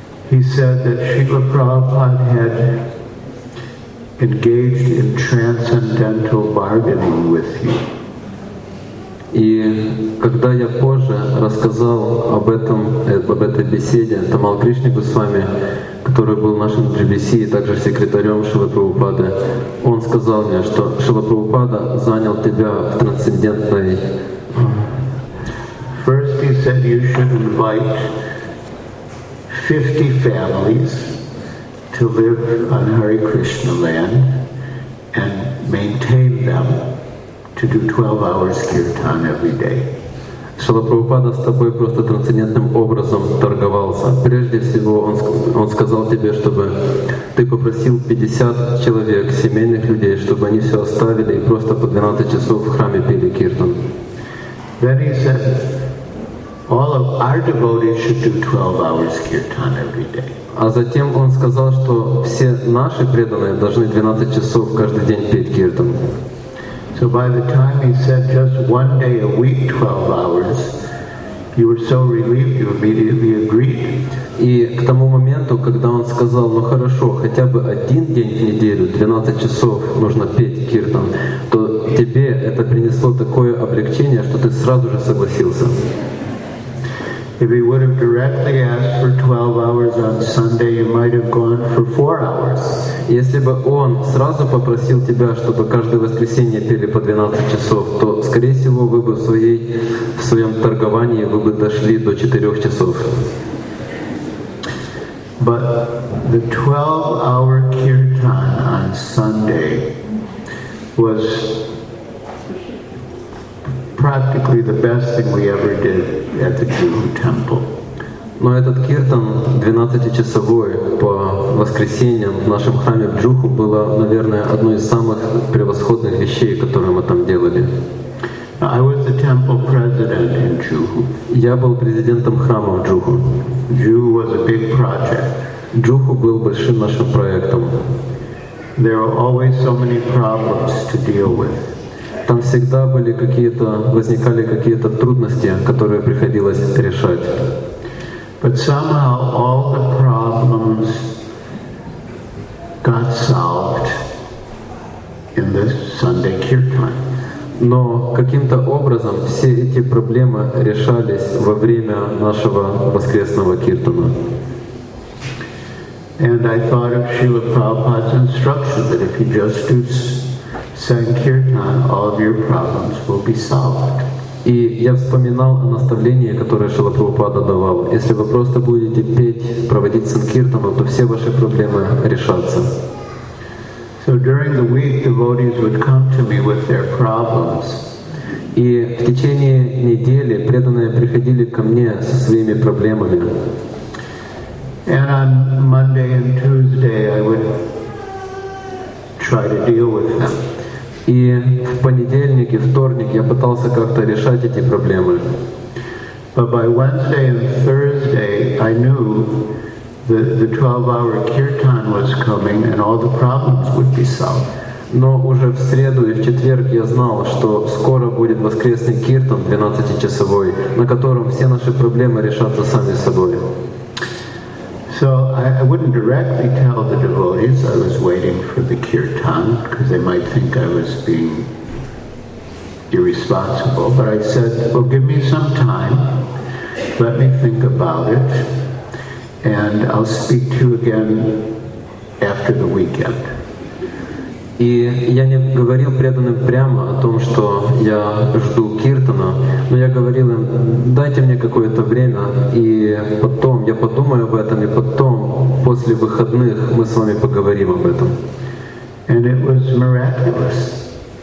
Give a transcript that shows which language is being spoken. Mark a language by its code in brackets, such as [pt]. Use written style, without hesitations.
[en] He said that Srila Prabhupada had engaged in transcendental bargaining with you. [ru] И когда я позже рассказал об этом, об этой беседе Тамал Кришне Госвами, который был нашим GBC и также секретарем Шрилы Прабхупады, он сказал мне, что Шрила Прабхупада занял тебя в трансцендентной... [en] First he said you should invite 50 families to live on Hare Krishna land and maintain them. To do 12 hours kirtan every day. [ru] Шрила Прабхупада с тобой просто трансцендентным образом торговался. Прежде всего, он сказал тебе, чтобы ты попросил 50 человек, семейных людей, чтобы они все оставили и просто по 12 часов в храме пели киртан. [en] Then he said, all of our devotees should do 12 hours kirtan every day. [ru] А затем он сказал, что все наши преданные должны 12 часов каждый день петь киртан. [en] So by the time he said just one day a week, 12 hours, you were so relieved, you immediately agreed. [ru] И к тому моменту, когда он сказал, ну хорошо, хотя бы один день в неделю, 12 часов нужно петь киртан, то тебе это принесло такое облегчение, что ты сразу же согласился. [en] If he would have directly asked for 12 hours on Sunday, you might have gone for 4 hours. [ru] Если бы он сразу попросил тебя, чтобы каждое воскресенье пели по 12 часов, то, скорее всего, вы бы в своем торговании вы бы дошли до 4 часов. [en] But the 12-hour kirtan on Sunday was practically the best thing we ever did at the Jew temple. [ru] Но этот киртан 12-часовой по воскресеньям в нашем храме в Джуху было, наверное, одной из самых превосходных вещей, которые мы там делали. [en] I was the temple president in Juhu. [ru] Я был президентом храма в Джуху. [en] Juhu was a big project. [ru] Джуху был большим нашим проектом. [en] There are always so many problems to deal with. [ru] Там всегда были какие-то, возникали какие-то трудности, которые приходилось решать. [en] But somehow all the problems got solved in the Sunday kirtan. [ru] Но каким-то образом все эти проблемы решались во время нашего воскресного киртана. [en] And I thought of Srila Prabhupada's instruction that if you just do sankirtan, all of your problems will be solved. [ru] И я вспоминал о наставлении, которое Шрила Прабхупада давал. Если вы просто будете петь, проводить санкиртану, то все ваши проблемы решатся. [en] So during the week devotees would come to me with their problems. [ru] И в течение недели преданные приходили ко мне со своими проблемами. [en] And on Monday and Tuesday I would try to deal with them. [ru] И в понедельник и вторник я пытался как-то решать эти проблемы. [en] But by Wednesday and Thursday I knew that the 12-hour kirtan was coming and all the problems would be solved. [ru] Но уже в среду и в четверг я знал, что скоро будет воскресный киртан 12-часовой, на котором все наши проблемы решатся сами собой. [en] So I wouldn't directly tell the devotees I was waiting for the kirtan because they might think I was being irresponsible. But I said, well, give me some time. Let me think about it. And I'll speak to you again after the weekend. [ru] И я не говорил преданным прямо о том, что я жду киртана, но я говорил им, дайте мне какое-то время, и потом я подумаю об этом, и потом, после выходных, мы с вами поговорим об этом. [en] And it was miraculous.